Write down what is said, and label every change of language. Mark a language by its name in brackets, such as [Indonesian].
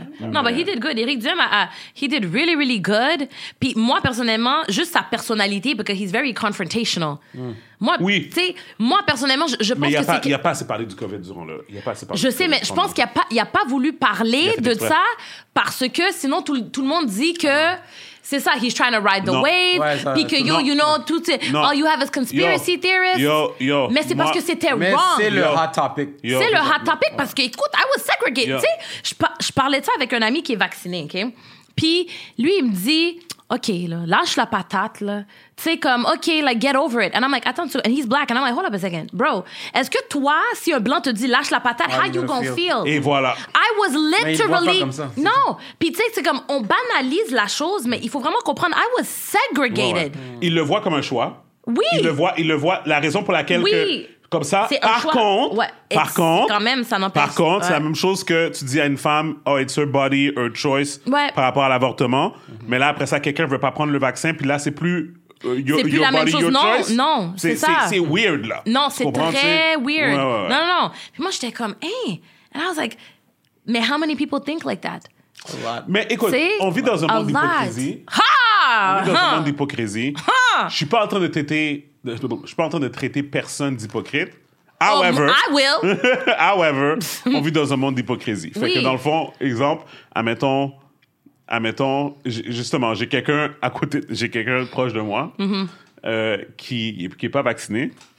[English] Non, but he did good. Éric Duhaime, he did really really good. [French] Puis moi personnellement, juste sa personnalité, parce que [English] he's very confrontational. [French] Moi, tu sais, moi personnellement, je pense que c'est qu'il y a pas assez parlé du COVID durant là. Il y a pas assez parlé. Je sais, mais je pense qu'il y a pas, voulu parler de ça parce que sinon tout le monde dit que. C'est ça, [English] he's trying to ride the wave. [French] Puis que [English] yo, you know, [French] tout. [English] All you have is conspiracy theorists. Yo. [French] Mais c'est parce que c'était wrong. Mais c'est le hot topic. C'est le hot topic parce que, écoute, [English] I was segregated. [French] Tu sais, je parlais de ça avec un ami qui est vacciné, OK? Puis lui, il me dit, OK, là, lâche la patate, là. Tu sais, comme, [English] OK, like, get over it. And I'm like, [French] attends, [English] and he's black. And I'm like, hold up a second. Bro, [French] est-ce que toi, si un blanc te dit, lâche la patate, [English] how you gonna feel? [French] Et voilà. [English] I was literally... [French] Mais il voit pas comme ça. Non. Puis tu sais, c'est comme, on banalise la chose, mais il faut vraiment comprendre, [English] I was segregated. [French] Ouais. Il le voit comme un choix. Oui. Il le voit, la raison pour laquelle que... Comme ça, c'est par contre, par contre, quand même, ça n'empêche. Par contre, c'est la même chose que tu dis à une femme, oh, [English] it's her body, her choice, [French] par rapport à l'avortement. Mais là, après ça, quelqu'un ne veut pas prendre le vaccin, puis là, c'est plus... C'est plus la même chose. Non, [English] choice. [French] Non, c'est ça. C'est weird, là. Non, c'est très weird. Ouais. Non, non, non. Puis moi, j'étais comme, hey! [English] And I was like, [French] mais [English] how many people think like that? A lot. [French] Mais écoute, on vit dans un monde d'hypocrisie. Ha! un monde d'hypocrisie. Je suis pas en train de traiter, personne d'hypocrite. [English] However, I will. However, [French] on vit dans un monde d'hypocrisie. Fait que dans le fond, exemple, admettons, justement, j'ai quelqu'un à côté, j'ai quelqu'un proche de moi qui est pas vacciné.